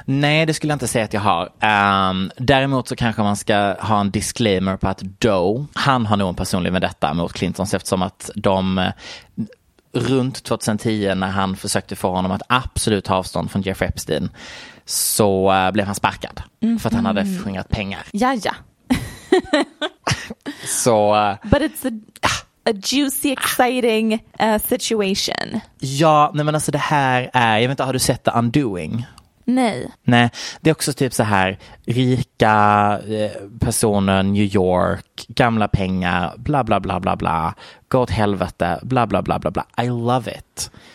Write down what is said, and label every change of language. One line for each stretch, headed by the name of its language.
Swedish: Nej, det skulle jag inte säga att jag har. Däremot så kanske man ska ha en disclaimer på att Doe, han har nog en personlig vendetta mot Clintons eftersom att de runt 2010 när han försökte få honom att absolut ta avstånd från Jeffrey Epstein så blev han sparkad för att han hade skingrat pengar. Jaja. Så,
English: but it's a juicy, exciting situation.
Swedish: Ja, nej men alltså det här är, jag vet inte, har du sett The Undoing? Nej. Nej, det är också typ så här, rika personer, New York, gamla pengar, bla bla bla bla bla, gå åt helvete, bla bla bla bla bla.
English: I love it.